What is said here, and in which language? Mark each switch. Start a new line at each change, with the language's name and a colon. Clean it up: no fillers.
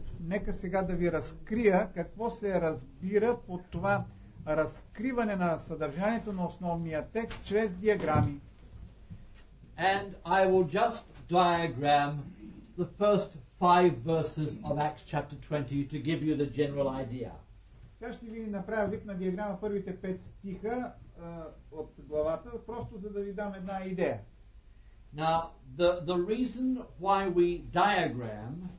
Bulgarian: нека сега да ви разкрия какво се разбира под това разкриване на съдържанието на основния текст чрез диаграми.
English: And I will just diagram the first five verses of Acts chapter 20 to give you the general idea.
Bulgarian: Сега ще ви направя вид на диаграма първите 5 стиха от главата, просто за да ви дам една идея.
English: Now, the reason why we diagram